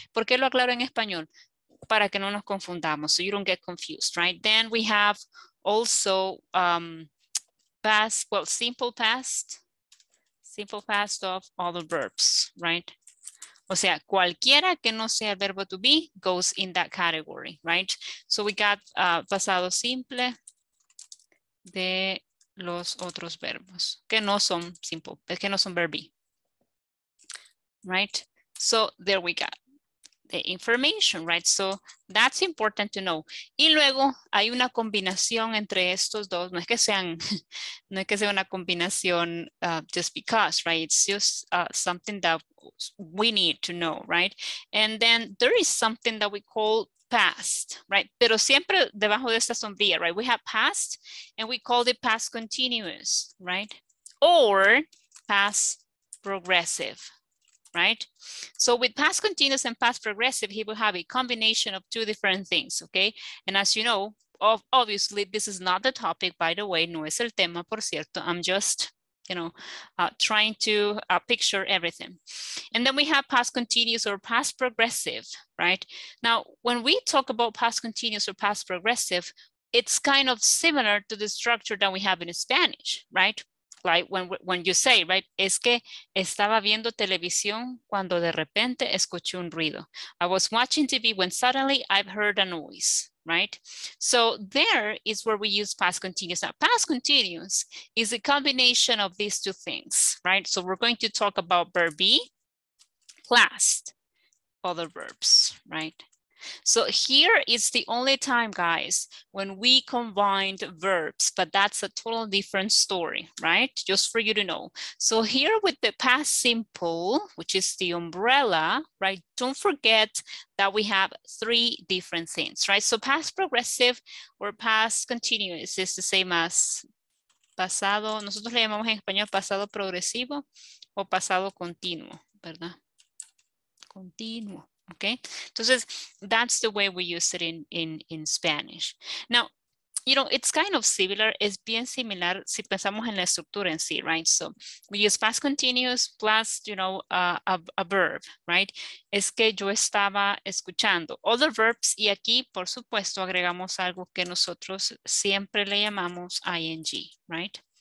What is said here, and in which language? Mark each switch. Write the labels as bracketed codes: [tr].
[es] ¿Por qué lo aclaro en español? Para que no nos confundamos, [en] so you don't get confused, right? Then we have also simple past of all the verbs, right? [es] O sea, cualquiera que no sea el verbo to be [en] goes in that category, right? So we got [es] pasado simple de los otros verbos, que no son simple, que no son verb be. [en] Right, so there we got the information, right? So that's important to know. [es] Y luego hay una combinación entre estos dos. No es que sean, no es que sea una combinación [en] just because, right? It's just something that we need to know, right? And then there is something that we call past, right? [es] Pero siempre debajo de esta sombrilla, [en] right? We have past and we call it past continuous, right? Or past progressive. Right? So with past continuous and past progressive, he will have a combination of two different things, okay? And as you know, obviously, this is not the topic, by the way, [es] no es el tema, por cierto. [en] I'm just, you know, trying to picture everything. And then we have past continuous or past progressive, right? Now, when we talk about past continuous or past progressive, it's kind of similar to the structure that we have in Spanish, right? like when you say, right? [es] Es que estaba viendo televisión cuando de repente escuché un ruido. [en] I was watching TV when suddenly I've heard a noise, right? So there is where we use past continuous. Now, past continuous is a combination of these two things, right? So we're going to talk about verb be, past, other verbs, right? So here is the only time, guys, when we combined verbs, but that's a total different story, right? Just for you to know. So here with the past simple, which is the umbrella, right? Don't forget that we have three different things, right? So past progressive or past continuous is the same as pasado. [es] Nosotros le llamamos en español pasado progresivo o pasado continuo, ¿verdad? Continuo. [en] Okay, entonces that's the way we use it in Spanish. Now, you know, it's kind of similar, [es] es bien similar si pensamos en la estructura en sí, right? [en] So we use past continuous plus, you know, a verb, right? [es] Es que yo estaba escuchando. [en] Other verbs, [es] y aquí, por supuesto, agregamos algo que nosotros siempre le llamamos ing, right?